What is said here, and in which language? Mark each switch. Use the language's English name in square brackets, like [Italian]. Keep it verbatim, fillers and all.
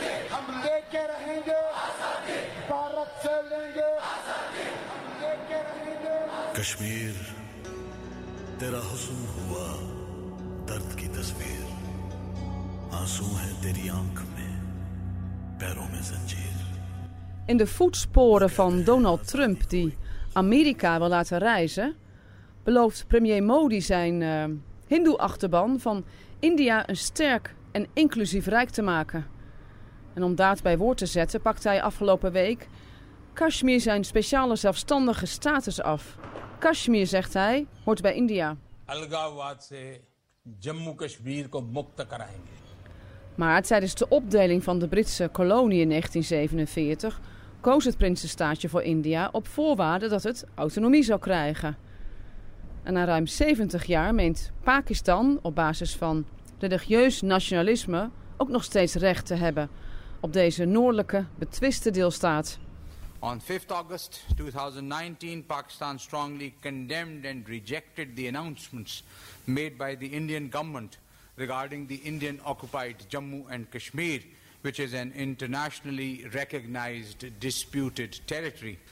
[Hindi] हम लेके रहेंगे भारत से लेंगे हम लेके रहेंगे कश्मीर तेरा हुस्न हुआ दर्द की तस्वीर आंसू है तेरी आंख में पैरों में ज़ंजीर. [Dutch] In de voetsporen van Donald Trump die Amerika wil laten reizen, belooft premier Modi zijn uh, hindoe-achterban van India een sterk en inclusief rijk te maken. En om daad bij woord te zetten pakt hij afgelopen week Kashmir zijn speciale zelfstandige status af. Kashmir, zegt hij, hoort bij India. [Hindi] Algawaad se Jammu Kashmir ko mukt karayenge. [Dutch] Maar tijdens de opdeling van de Britse kolonie in negentien zevenenveertig koos het prinsenstaatje voor India op voorwaarde dat het autonomie zou krijgen. En na ruim zeventig jaar meent Pakistan op basis van religieus nationalisme ook nog steeds recht te hebben op deze noordelijke betwiste deelstaat. [English] On [Dutch] vijf augustus tweeduizend negentien, [English] Pakistan strongly condemned and rejected the announcements made by the Indian government regarding the Indian occupied Jammu and Kashmir, which is an internationally recognized disputed territory.